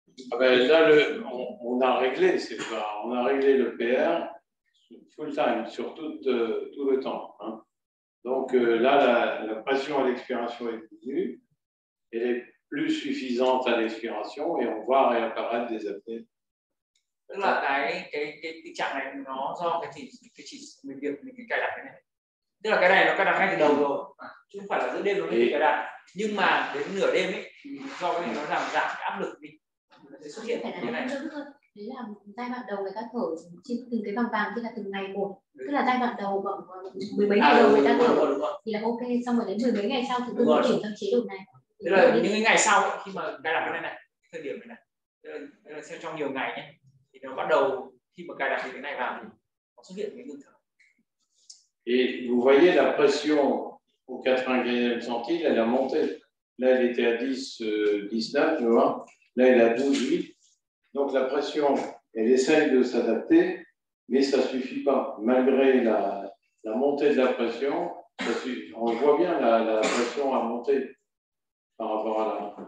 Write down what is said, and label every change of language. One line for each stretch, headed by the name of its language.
French: Ah ben là, on a réglé, c'est pas, on a réglé le PR full time, sur tout le temps. Hein. Donc là, la pression à l'expiration est diminuée. Elle est plus suffisante à l'expiration et on voit réapparaître des apnées.
Vietnamese: Tức là cái tình trạng này nó do cái chỉ mình việc mình cài đặt cái này. Tức là cái này nó cài đặt ngay từ đầu rồi, chứ không phải là giữa đêm nó mới cài đặt. Nhưng mà đến nửa đêm ấy thì do cái nó làm giảm cái áp lực đi. Nó sẽ xuất hiện cái này. Đấy là giai đoạn đầu người ta thở trên từng cái vòng vàng, tức là từng ngày một. Tức là giai đoạn đầu khoảng mười mấy ngày đầu người ta thở thì là ok, xong rồi đến mười mấy ngày sau thì tự chuyển sang chế độ này. Tức là những ngày sau ấy, khi mà cài đặt cái này này, thời điểm này này, tức là xem trong nhiều ngày nhé, thì nó bắt đầu khi mà cài đặt cái này vào thì nó xuất hiện cái ngưng thở.
French: Et vous voyez la pression au 95e centile, elle a monté. Là elle était à 10-19, tu vois. Là elle a 12-8. Donc la pression, elle essaye de s'adapter, mais ça ne suffit pas. Malgré la montée de la pression, on voit bien la pression a monté par rapport à la...